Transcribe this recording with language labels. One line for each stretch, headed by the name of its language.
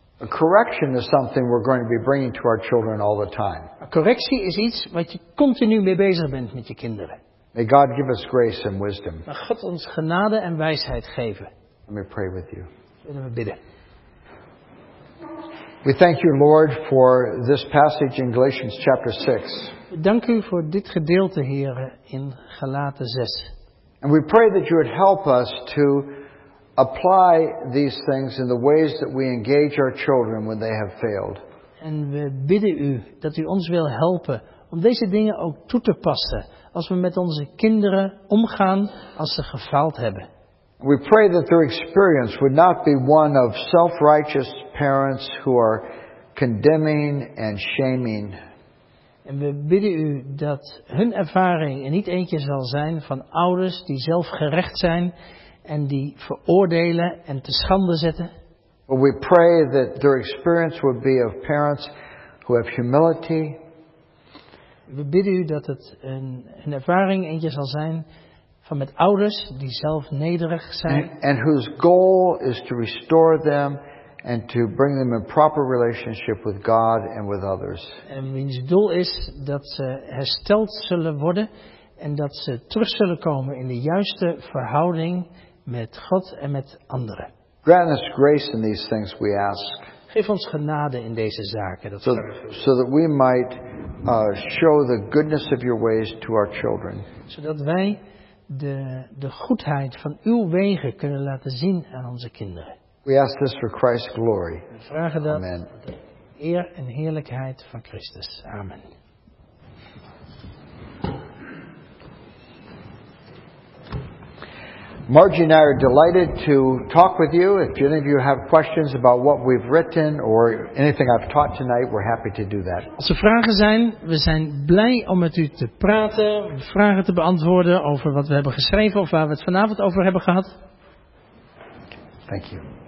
English: A correction is something we're going to be bringing to our children all the time.
Dutch: A correctie is iets wat je continu mee bezig bent met je kinderen.
English: May God give us grace and wisdom.
Dutch: Mag God ons genade en wijsheid geven.
English: Let me pray with you.
Dutch: Zullen we bidden.
English: We thank you, Lord, for this passage in Galatians chapter 6.
Dutch: We dank u voor dit gedeelte, Heere, in Galaten 6.
English: And we pray that you would help us to apply these things in the ways that we engage our children when they have failed.
Dutch: En we bidden u dat u ons wil helpen om deze dingen ook toe te passen als we met onze kinderen omgaan als ze gefaald hebben.
English: We pray that their experience would not be one of self-righteous parents who are condemning and shaming.
Dutch: En we bidden u dat hun ervaring er niet eentje zal zijn van ouders die zelfgerecht zijn en die veroordelen en te schande zetten.
English: Well, we pray that their experience would be of parents who have humility.
Dutch: We bidden u dat het een ervaring eentje zal zijn van met ouders die zelf nederig zijn.
English: And whose goal is to restore them and to bring them in proper relationship with God and with others.
Dutch: En wiens doel is dat ze hersteld zullen worden en dat ze terug zullen komen in de juiste verhouding met God en met anderen.
English: Grant us grace in these things we ask.
Dutch: Geef ons genade in deze zaken.
English: So that we might show the goodness of your ways to our children.
Dutch: Zodat wij de goedheid van uw wegen kunnen laten zien aan onze kinderen.
English: We ask this for Christ's glory.
Dutch: We vragen dat.
English: Amen.
Dutch: eer en heerlijkheid van Christus. Amen.
English: Margie and I are delighted to talk with you. If any of you have questions about what we've written or anything I've taught tonight, we're happy to do that.
Dutch: Als er vragen zijn, we zijn blij om met u te praten, vragen te beantwoorden over wat we hebben geschreven of waar we het vanavond over hebben gehad. Thank you.